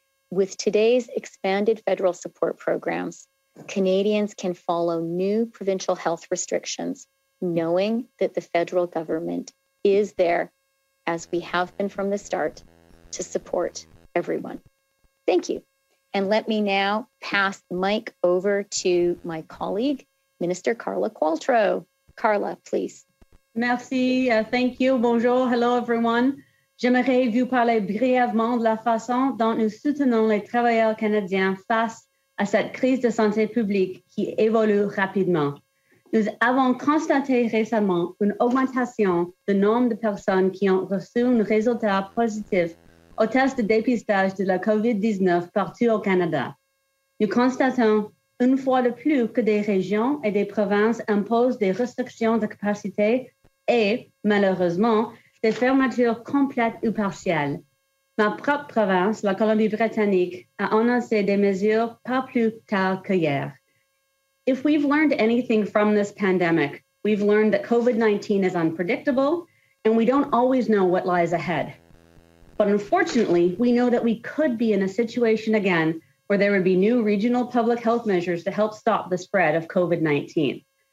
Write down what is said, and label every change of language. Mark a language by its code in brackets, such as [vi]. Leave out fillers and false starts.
[en] With today's expanded federal support programs, Canadians can follow new provincial health restrictions, knowing that the federal government is there, as we have been from the start, to support everyone. Thank you. And let me now pass the mic over to my colleague, Minister Carla Qualtrough. Carla, please. [fr] Merci. [en] Thank you. [fr] Bonjour. [en] Hello, everyone. [fr] J'aimerais vous parler brièvement de la façon dont nous soutenons les travailleurs canadiens face à cette crise de santé publique qui évolue rapidement. Nous avons constaté récemment une augmentation du nombre de personnes qui ont reçu un résultat positif au test de dépistage de la COVID-19 partout au Canada. Nous constatons une fois de plus que des régions et des provinces imposent des restrictions de capacité et, malheureusement, des fermetures complètes ou partielles. Ma propre province, la Colombie-Britannique, a annoncé des mesures pas plus tard qu'hier. [en] If we've learned anything from this pandemic, we've learned that COVID-19 is unpredictable and we don't always know what lies ahead. But unfortunately, we know that we could be in a situation again where there would be new regional public health measures to help stop the spread of COVID-19.